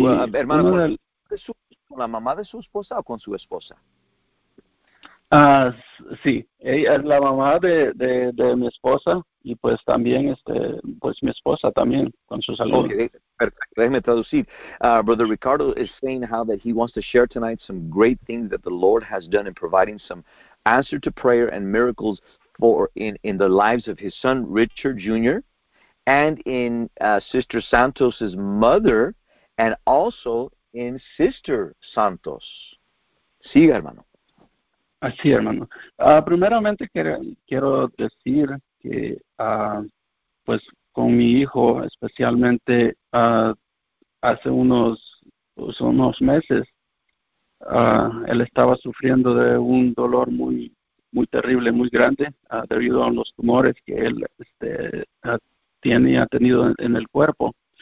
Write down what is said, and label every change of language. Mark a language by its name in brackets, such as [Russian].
[Spanish] bueno, hermano, ¿con la mamá de su esposa o con su esposa? Sí, ella es la mamá de mi esposa y pues también mi esposa también con su salud. Okay, perfecto. Déjeme traducir. [English] Brother Ricardo is saying how that he wants to share tonight some great things that the Lord has done in providing some answer to prayer and miracles for in the lives of his son Richard Jr. and in Sister Santos's mother and also in Sister Santos. [Spanish] Siga, hermano. Así, hermano. Primeramente quiero decir que, pues, con mi hijo, especialmente hace unos meses, él estaba sufriendo de un dolor muy muy terrible, muy grande, debido a los tumores que él ha tenido en el cuerpo.